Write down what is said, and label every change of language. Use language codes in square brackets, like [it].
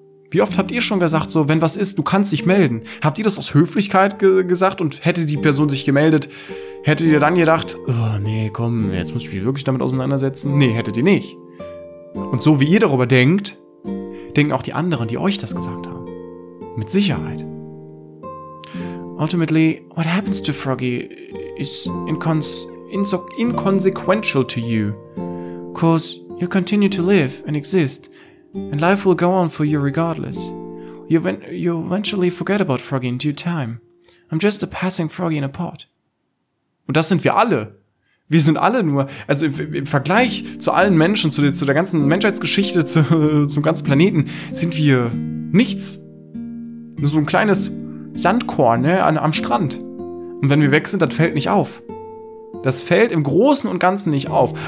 [de] Wie oft habt ihr schon gesagt, so, wenn was ist, du kannst dich melden? Habt ihr das aus Höflichkeit gesagt und hätte die Person sich gemeldet, hättet ihr dann gedacht, oh, nee, komm, jetzt muss ich mich wirklich damit auseinandersetzen? Nee, hättet ihr nicht. Und so wie ihr darüber denkt, denken auch die anderen, die euch das gesagt haben. Mit Sicherheit. [en] Ultimately, what happens to Froggy is inconsequential to you. Cause you continue to live and exist, and life will go on for you regardless. You eventually forget about Froggy in due time. I'm just a passing Froggy in a pot. [de] Und das sind wir alle. Wir sind alle nur, also im Vergleich zu allen Menschen, zu der ganzen Menschheitsgeschichte, zum ganzen Planeten, sind wir nichts. Nur so ein kleines Sandkorn, ne, am Strand. Und wenn wir weg sind, das fällt nicht auf. Das fällt im Großen und Ganzen nicht auf.